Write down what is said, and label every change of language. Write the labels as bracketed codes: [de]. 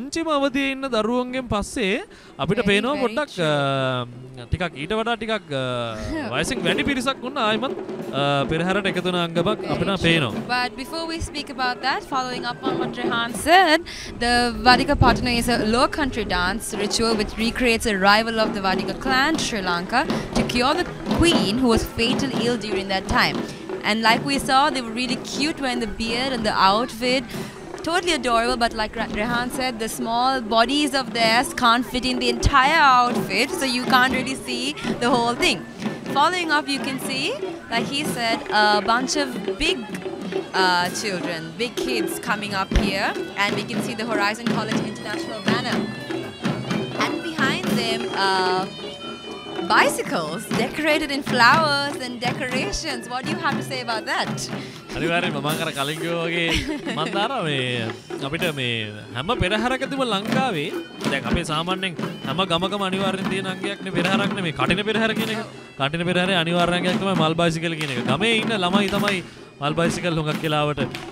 [si] අවදී ඉන්න දරුවන්ගෙන් පස්සේ අපිට පේනවා පොඩ්ඩක් ටිකක් ඊට වඩා ටිකක් වයසින් වැඩි පිරිසක් වුණා ආයිමත් පෙරහැරට එකතුන අංගමක් අපිට පේනවා [en] but before we speak about that following up on what Rehan said the Vadika Patana is a low country dance ritual which recreates the arrival of the Vadika clan Sri Lanka to cure the queen who was fatally ill during that time and like we saw they were really cute wearing the beard and the outfit totally adorable but like Rehan said the small bodies of theirs can't fit in the entire outfit so you can't really see the whole thing following up you can see like he said a bunch of big children big kids coming up here and we can see the Horizon College International banner and behind them bicycles decorated in flowers and decorations what do you have to say about that [si] අනිවාර්යෙන්ම මම අර කලින් කිව්වා වගේ මම දාරා මේ අපිට මේ හැම පෙරහැරකදීම ලංකාවේ දැන් අපේ සාමාන්‍යයෙන් හැම ගමකම අනිවාර්යෙන් තියෙන අංගයක් නේ පෙරහැරක් නෙමෙයි කටින පෙරහැර කියන එක කටින පෙරහැරේ අනිවාර්ය අංගයක් තමයි මල් බයිසිකල් කියන එක ගමේ ඉන්න ළමයි තමයි මල් බයිසිකල් හොඟක් කියලාවට